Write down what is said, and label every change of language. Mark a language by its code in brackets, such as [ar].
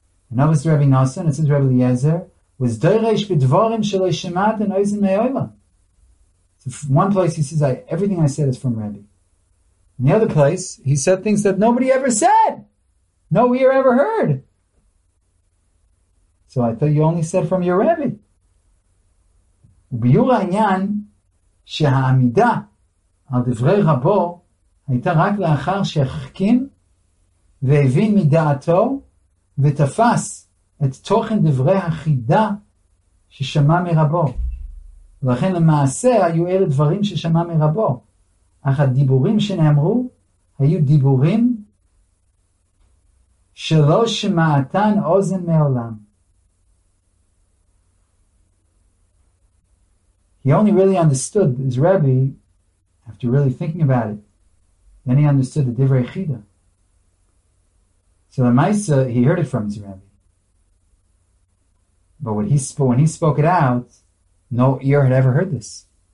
[en] And that was Rabbi Nosson, it says Rabbi Eliezer, was [he] doyresh bedvorim shelo shemat and oizen me'oila. [en] So one place he says, everything I said is from Rebbe. In the other place, he said things that nobody ever said, no ear ever heard. So I thought you only said from your Rebbe. [he] וביור העניין שהעמידה על דברי רבו הייתה רק לאחר שהחכים והבין מדעתו ותפס את תוכן דברי החידה ששמע מרבו. ולכן למעשה היו אלה דברים ששמע מרבו. אך הדיבורים שנאמרו היו דיבורים שלא שמעתן אוזן מעולם. [en] He only really understood his Rebbe after really thinking about it. Then he understood the Divrei Chida. So the Maisa, he heard it from his Rebbe. But when he spoke it out, no ear had ever heard this.